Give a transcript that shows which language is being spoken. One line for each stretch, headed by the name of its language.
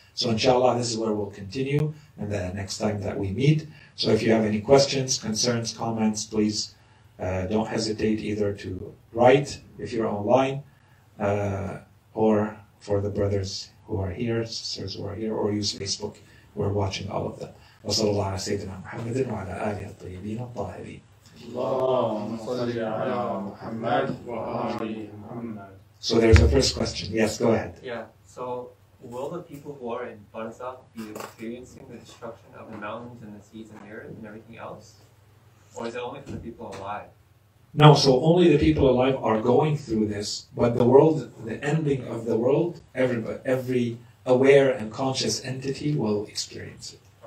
English: So inshallah, this is where we'll continue and the next time that we meet. So if you have any questions, concerns, comments, please don't hesitate either to write if you're online or for the brothers who are here, sisters who are here, or use Facebook. We're watching all of them.
Arabic: وصلى الله على سيدنا محمد وعلى آله الطيبين الطاهرين. اللهم صل على محمد وآل محمد.
English: So there's a first question. Yes, go ahead. Yeah. So will the people who are in Barzakh be experiencing the destruction of the mountains and the seas and the earth and everything else, or is it only for the people alive? No. So only the people alive are going through this, but the world, the ending of the world, every aware and conscious entity will experience it.